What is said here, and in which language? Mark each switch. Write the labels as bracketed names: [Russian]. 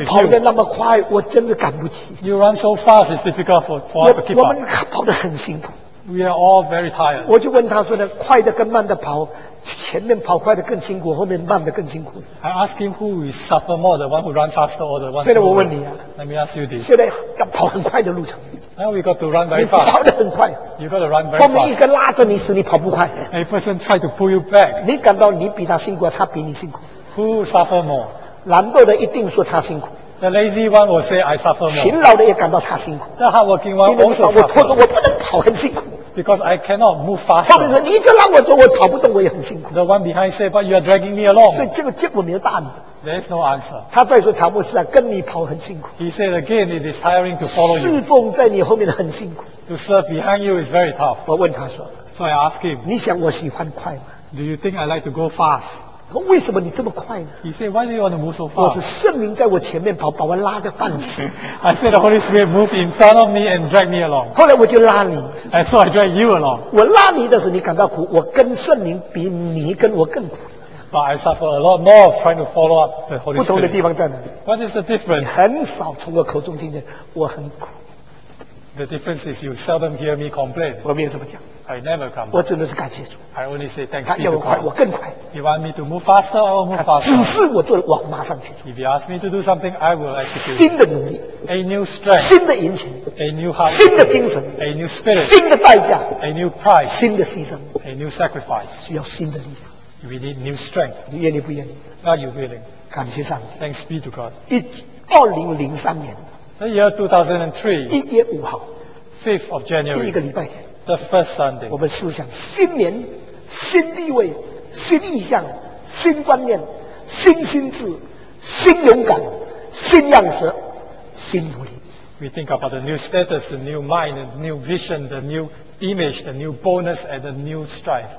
[Chinese] 你跑得那么快，我真的赶不及。 [English] You run so fast, it's difficult for us to keep up. [Chinese] 我们跑得很辛苦。 [English] We are all very tired. [Chinese] 我就问他说呢，快的跟慢的跑。前面跑快的更辛苦，后面慢的更辛苦。 [English] I ask him who is suffer more, the one who run faster or the one who. [Chinese] 现在我问你啊。 [English] Let me ask you this. [Chinese] 现在要跑很快的路程。 [English] Now we got to run very fast. [Chinese] 你跑得很快。 [English] You got to run very fast. [Chinese] 后面一个拉着你时，你跑不快。 [English] A person try to pull you back. [Chinese] 你感到你比他辛苦，他比你辛苦。 [English] Who suffer more? [Chinese] 懒惰的一定说他辛苦。 [English] The lazy one will say I suffer more. [Chinese] 勤劳的也感到他辛苦。 [English] The hardworking one also suffer. [Chinese] 我拖着我不能跑，很辛苦。 [English] Because I cannot move faster. [Chinese] 后面说你这让我走，我跑不动，我也很辛苦。 [English] The one behind said, "But you are dragging me along." [Chinese] 所以这个结果没有答案。 [English] There is no answer. [Chinese] 他再说乔布斯啊，跟你跑很辛苦。 [English] He said again, "It is tiring to follow you." [Chinese] 侍奉在你后面很辛苦。 [English] To serve behind you is very tough. [Chinese] 我问他说。 [English] So I ask him. [Chinese] 你想我喜欢快吗 [English] ？Do you think I like to go fast? [Chinese] 为什么你这么快呢 [English] ？He said, "Why do you want to move so fast?" [Chinese] 我是圣灵在我前面跑，把我拉得半死。 [English] I said, "The Holy Spirit moved in front of me and dragged me along." [Chinese] 后来我就拉你。 [English] And so I drag you along. [Chinese] 我拉你的时候，你感到苦；我跟圣灵比，你跟我更苦。 [English] But I suffer a lot more trying to follow up the Holy Spirit. [Chinese] 不同的地方在哪 [English] ？What is the difference? [Chinese] 你很少从我口中听见我很苦。 [English] The difference is you seldom hear me complain. [Chinese] 我没有这么讲。 [English] I never complain. [Chinese] 我只能是感谢主。 [English] I only say thanks. [Chinese] 他要我快，我更快。 [English] You want me to move faster or move faster? [Chinese] 只是我做了，我马上去做。 [English] If you ask me to do something, I will execute. [Chinese] 新的努力。 [English] A new strength. [Chinese] 新的引擎。 [English] A new heart. [Chinese] 新的精神。 [English] A new spirit. [Chinese] 新的代价。 [English] A new price. [Chinese] 新的牺牲。 [English] A new sacrifice. [Chinese] 需要新的力量。 [English] We need new strength. [Chinese] 你愿意不愿意 [English] ？Are you willing? [Chinese] 感谢上帝。 [English] Thanks be to God. [Chinese] 2003年。 [English] The year 2003, [Chinese] 1月5号 [English] 5th of January, [Chinese] 第一个礼拜天 [English] the first Sunday, [Chinese] 我们思想新年新地位新意向新观念新心智新勇敢新样式新努力 [English] We think about the new status, the new mind, the new vision, the new image, the new bonus and the new strive